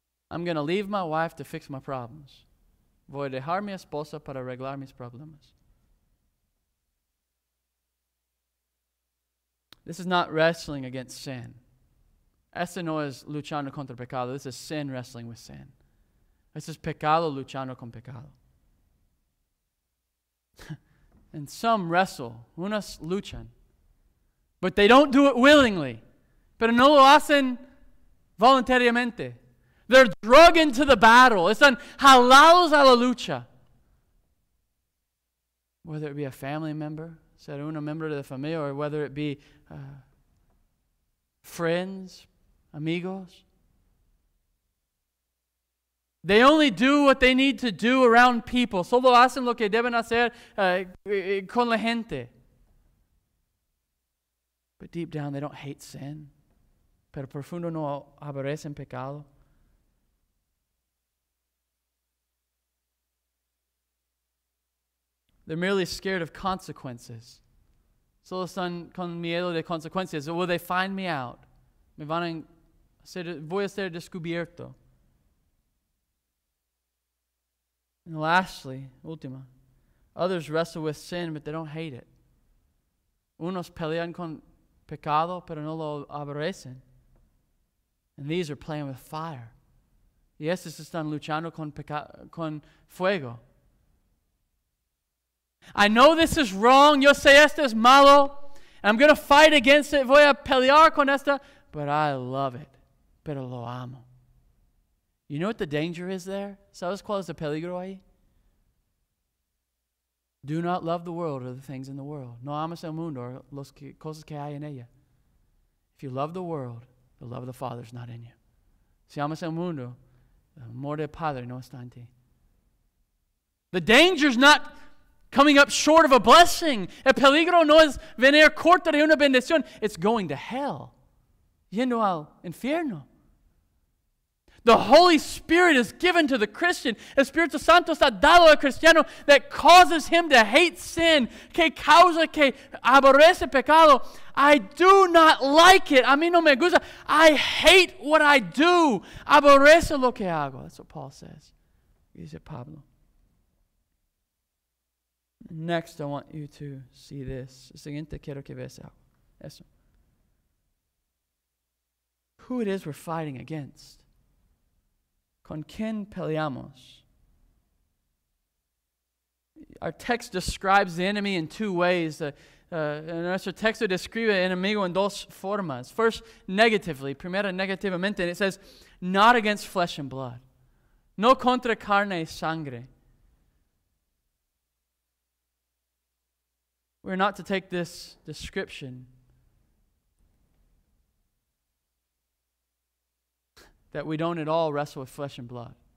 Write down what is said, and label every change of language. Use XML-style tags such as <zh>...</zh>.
<en>I'm going to leave my wife to fix my problems.</en> <es>Voy a dejar mi esposa para arreglar mis problemas.</es> <en>This is not wrestling against sin.</en> <es>Este no es luchando contra pecado.</es> <en>This is sin wrestling with sin. This is</en> <es>pecado luchando con pecado.</es> <en>And some wrestle.</en> <es>Unas luchan.</es> <en>But they don't do it willingly.</en> <es>Pero no lo hacen voluntariamente.</es> <en>They're drug into the battle.</en> <es>Están jalados a la lucha.</es> <en>Whether it be a family member,</en> <es>ser un miembro de la familia,</es> <en>or whether it be friends, amigos. They only do what they need to do around people.</en> <es>Solo hacen lo que deben hacer con la gente.</es> <en>But deep down, they don't hate sin.</en> <es>Pero profundo no aborrecen pecado.</es> <en>They're merely scared of consequences.</en> <es>Solo están con miedo de consecuencias.</es> <en>Will they find me out?</en> <es>Me van a ser, voy a ser descubierto.</es> <en>And lastly, última. Others wrestle with sin, but they don't hate it.</en> <es>Unos pelean con pecado, pero no lo aborrecen.</es> <en>And these are playing with fire.</en> <es>Y estos están luchando con fuego.</es> <en>I know this is wrong.</en> <es>Yo sé esto es malo.</es> <en>I'm going to fight against it.</en> <es>Voy a pelear con esta.</es> <en>But I love it.</en> <es>Pero lo amo.</es> <en>You know what the danger is there?</en> <es>¿Sabes cuál es el peligro ahí?</es> <en>Do not love the world or the things in the world.</en> <es>No amas el mundo or las cosas que hay en ella.</es> <en>If you love the world, the love of the Father is not in you.</en> <es>Si amas el mundo, el amor del Padre no está en ti.</es> <en>The danger is not coming up short of a blessing.</en> <es>El peligro no es venir corto de una bendición.</es> <en>It's going to hell.</en> <es>Yendo al infierno.</es> <en>The Holy Spirit is given to the Christian.</en> <es>Espíritu Santo está dado al cristiano</es> <en>that causes him to hate sin.</en> <es>Que causa que aborrece pecado.</es> <en>I do not like it.</en> <es>A mí no me gusta.</es> <en>I hate what I do.</en> <es>Aborrece lo que hago.</es> <en>That's what Paul says. He said, Pablo. Next, I want you to see this.</en> <es>Siguiente, quiero que veas eso.</es> <en>Who it is we're fighting against.</en> <es>¿Con quién peleamos?</es> <en>Our text describes the enemy in two ways.</en> <es>Nuestro texto describe el enemigo en dos formas.</es> <en>First, negatively.</en> <es>Primero, negativamente.</es> <en>And it says, not against flesh and blood.</en> <es>No contra carne y sangre.</es> <en>We're not to take this description that we don't at all wrestle with flesh and blood.</en>